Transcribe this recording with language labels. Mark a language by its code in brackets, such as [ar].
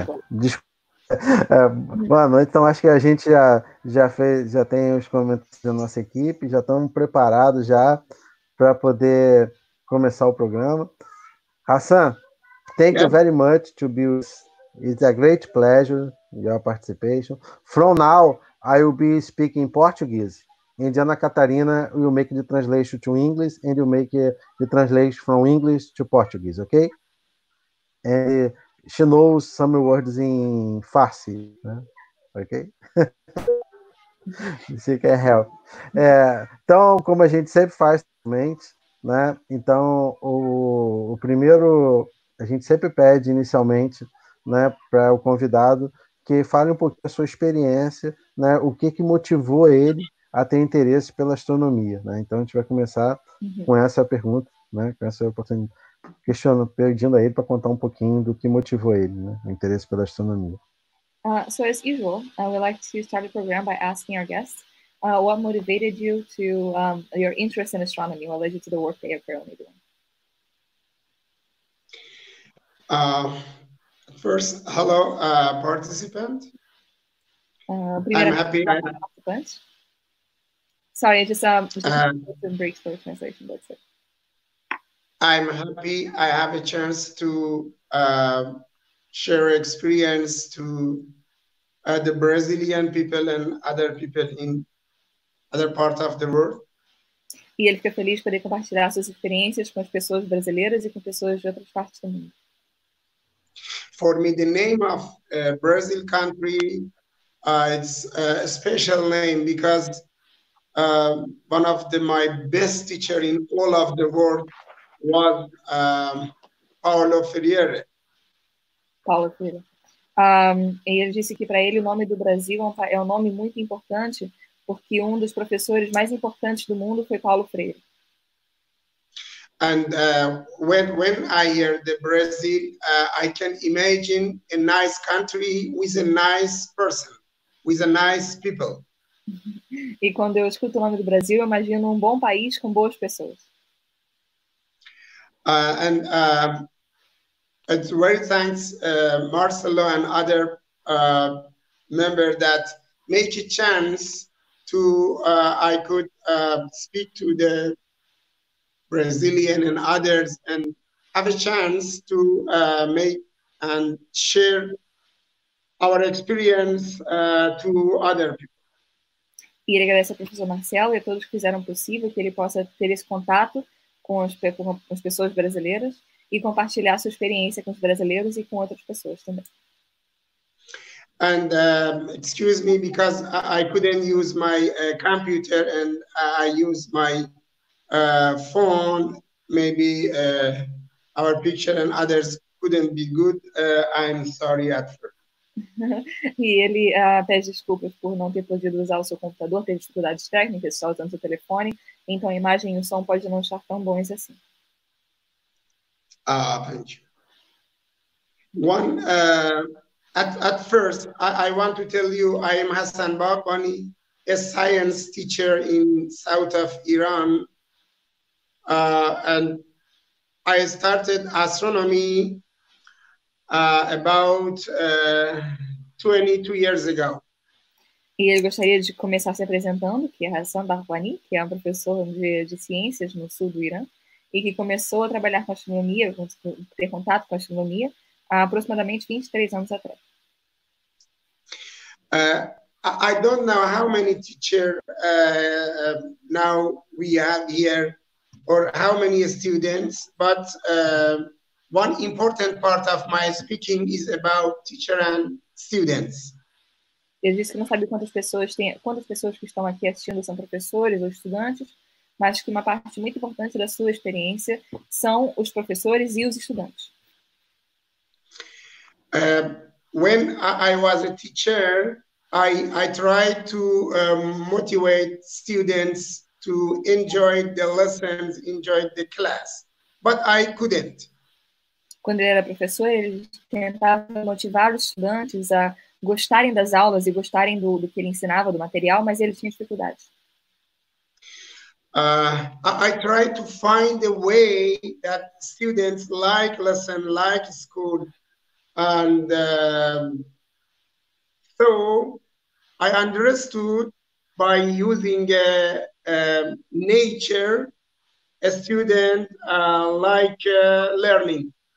[pt] Desculpa. Boa noite, então acho que a gente já tem os comentários da nossa equipe, já estamos preparados já para poder começar o programa. [en] HASSAN, thank you very much to be with. It's a great pleasure your participation. From now, I will be speaking Portuguese. and Anna Catarina will make the translation to English and you make the translation from English to Portuguese, okay? And she knows some words in Farsi, né? Okay? She can help. [pt] É, então, como a gente sempre faz, né? Então, o primeiro, a gente sempre pede inicialmente, né, para o convidado que fale um pouquinho da sua experiência, né, o que, que motivou ele a ter interesse pela astronomia, né? Então, a gente vai começar com essa pergunta, né, com essa oportunidade, pedindo a ele para contar um pouquinho do que motivou ele, né, o interesse pela astronomia. [en] So, as usual, we like to start the program by asking our guests what motivated you to your interest in astronomy, what led you to the work they are currently doing. First, hello, participant. Participant. Sorry, just a brief for translation, that's it. I'm happy I have a chance to share experience to the Brazilian people and other people in other parts of the world. [pt] E ele fica feliz poder compartilhar suas experiências com as pessoas brasileiras e com pessoas de outras partes do mundo. [en] For me, the name of Brazil country is a special name because one of my best teacher in all of the world was Paulo Freire. Paulo Freire. [pt] E ele disse que para ele o nome do Brasil é um nome muito importante porque um dos professores mais importantes do mundo foi Paulo Freire. [en] And when I hear the Brazil, I can imagine a nice country with a nice person, with a nice people. [pt] E quando eu escuto o nome do Brasil, eu imagino um bom país com boas pessoas. [en] And it's very thanks Marcelo and other member that make a chance to I could speak to the Brazilian and others and have a chance to make and share our experience to other people. [pt] E ele agradece ao professor Marcelo e a todos que fizeram possível que ele possa ter esse contato com as pessoas brasileiras e compartilhar sua experiência com os brasileiros e com outras pessoas também. [en] And excuse me because I couldn't use my computer and I use my phone, maybe our picture and others couldn't be good. I'm sorry at first. [pt] E ele pede desculpas por não ter podido usar o seu computador, ter dificuldades técnicas, só usando o telefone. Então, a imagem e o som podem não estar tão bons assim. [en] Ah, thank you. One, at first, I want to tell you, I am Hassan Baghbani, a science teacher in south of Iran. And I started astronomy about 22 years ago. [pt] E eu gostaria de começar se apresentando, que é Hassan Baghbani, que é um professor de ciências no sul do Irã, e que começou a trabalhar com astronomia, ter contato com astronomia, há aproximadamente 23 anos atrás. [en] I don't know how many teachers now we have here, or how many students, but one important part of my speaking is about teacher and students. [pt] Ele disse que não sabe quantas pessoas que estão aqui assistindo são professores ou estudantes, mas que uma parte muito importante da sua experiência são os professores e os estudantes. [en] When I was a teacher, I tried to motivate students to enjoy the lessons, enjoy the class, but I couldn't. [pt] Quando ele era professor, ele tentava motivar os estudantes a gostarem das aulas e gostarem do que ele ensinava, do material, mas ele tinha dificuldades. [en] I tried to find a way that students like lesson, like school, and so I understood by using nature, a student like learning.